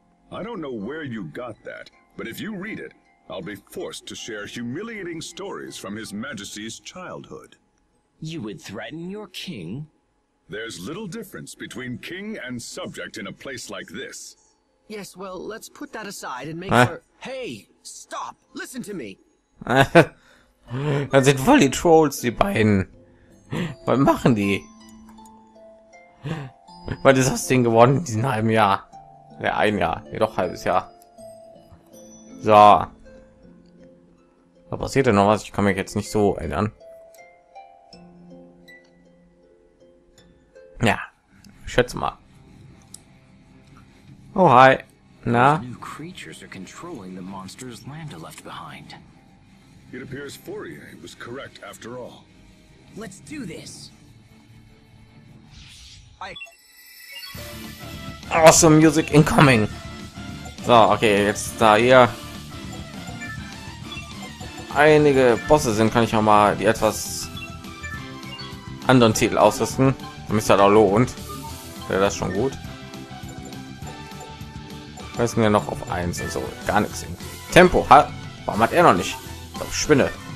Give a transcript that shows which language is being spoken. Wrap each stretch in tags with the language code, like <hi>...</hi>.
<en>I don't know where you got that, but if you read it, I'll be forced to share humiliating stories from His Majesty's childhood. You would threaten your king? There's little difference between king and subject in a place like this. Yes, well, let's put that aside and make sure... Hey, stop! Listen to me!</en> <de>Das sind voll die Trolls, die beiden. Was machen die? Was ist aus denen geworden in diesem halben Jahr? Ja, ein Jahr. Ja, doch, halbes Jahr. So. Da passiert denn noch was? Ich kann mich jetzt nicht so erinnern. Ja, schätze mal. Oh, hi. Na?</de> <en>New creatures are controlling the monsters Lambda left behind. It appears Fourier was correct after all. Let's do this. Awesome music incoming.</en> <de>So, okay, jetzt da hier einige Bosse sind, kann ich auch mal die etwas anderen Titel ausrüsten. Ist ja da lohnt, wäre das schon gut. Weiß mir noch auf 1 und so gar nichts hin. Tempo, ha, warum hat er noch nicht? Ich glaub, Spinne.</de>